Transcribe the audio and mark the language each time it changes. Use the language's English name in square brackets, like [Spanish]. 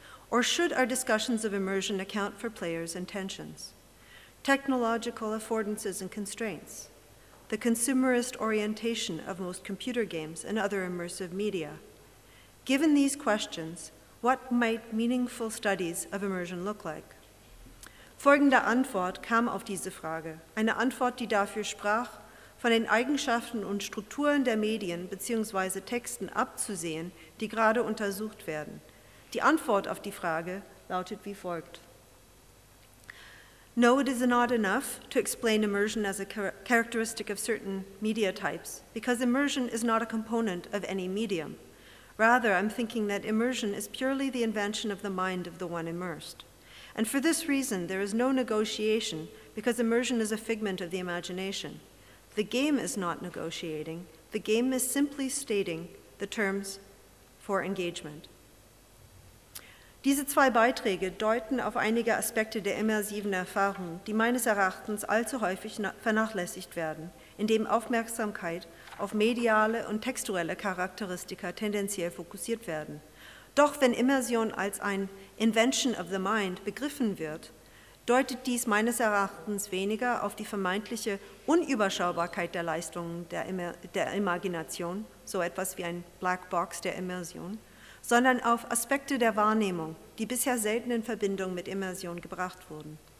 [English] Or should our discussions of immersion account for players' intentions? Technological affordances and constraints. The consumerist orientation of most computer games and other immersive media. Given these questions, what might meaningful studies of immersion look like? [German] Folgende Antwort kam auf diese Frage, eine Antwort, die dafür sprach, von den Eigenschaften und Strukturen der Medien bzw. Texten abzusehen, die gerade untersucht werden. Die Antwort auf die Frage lautet wie folgt. [English] No, it is not enough to explain immersion as a characteristic of certain media types, because immersion is not a component of any medium. Rather, I'm thinking that immersion is purely the invention of the mind of the one immersed. And for this reason, there is no negotiation, because immersion is a figment of the imagination. The game is not negotiating. The game is simply stating the terms for engagement. [German] Diese zwei Beiträge deuten auf einige Aspekte der immersiven Erfahrung, die meines Erachtens allzu häufig vernachlässigt werden, indem Aufmerksamkeit auf mediale und textuelle Charakteristika tendenziell fokussiert werden. Doch wenn Immersion als ein [English] Invention of the Mind [German] begriffen wird, deutet dies meines Erachtens weniger auf die vermeintliche Unüberschaubarkeit der Leistungen der Imagination, so etwas wie ein Black Box der Immersion, sondern auf Aspekte der Wahrnehmung, die bisher selten in Verbindung mit Immersion gebracht wurden.